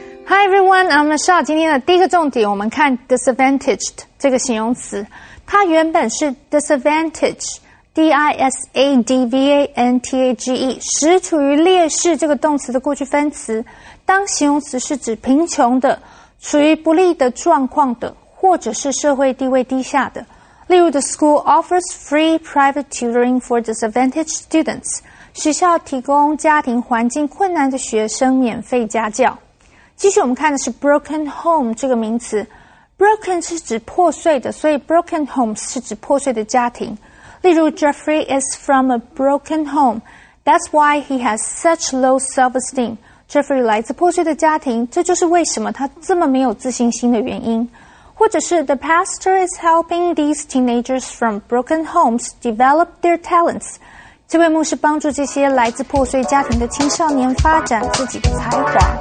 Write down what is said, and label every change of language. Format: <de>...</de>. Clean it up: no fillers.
<en>Hi everyone, I'm Michelle.</en> <zh>今天的第一个重点，我们看 disadvantaged 这个形容词，它原本是 disadvantage, D-I-S-A-D-V-A-N-T-A-G-E, 实处于劣势这个动词的过去分词，当形容词是指贫穷的、处于不利的状况的，或者是社会地位低下的。例如</zh> <en>the school offers free private tutoring for disadvantaged students.</en> <zh>学校提供家庭环境困难的学生免费家教。继续我们看的是 broken home 这个名词。broken 是指破碎的，所以 broken home 是指破碎的家庭。例如</zh> <en>Jeffrey is from a broken home. That's why he has such low self-esteem.</en> <zh>Jeffrey 来自破碎的家庭，这就是为什么他这么没有自信心的原因。或者是</zh> <en>The pastor is helping these teenagers from broken homes develop their talents.</en> <zh>这位牧师帮助这些来自破碎家庭的青少年发展自己的才华。</zh>